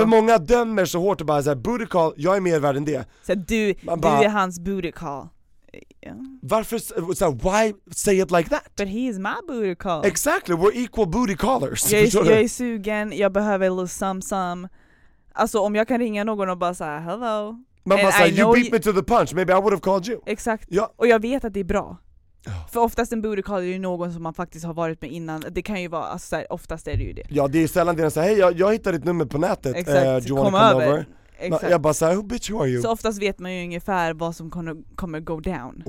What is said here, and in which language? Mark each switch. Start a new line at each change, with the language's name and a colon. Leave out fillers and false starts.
Swedish: För många dömer så hårt och bara såhär,
English: booty call,
Swedish: jag är mer värd än det. Så du, bara, du är hans booty call.
English: Yeah.
Swedish: Varför, så,
English: why say it like that? But he is my booty call. Exactly, we're equal booty callers.
Swedish: Jag är sugen, jag behöver
English: a little some.
Swedish: Alltså om jag kan ringa någon och bara säga hello. Man bara såhär,
English: you beat me to the punch, maybe I would have called you.
Swedish: Exakt, ja. Och jag vet att det är bra. För oftast en booty call är ju någon som man faktiskt har varit med innan. Det kan ju vara, alltså, så här, oftast är det ju det. Ja, det är sällan det är så här, hej jag hittade ditt nummer på nätet. Exakt,
English: come over.
Swedish: Exakt. Jag bara så här,
English: bitch, who are you?
Swedish: Så oftast vet man ju ungefär vad som kommer
English: go down.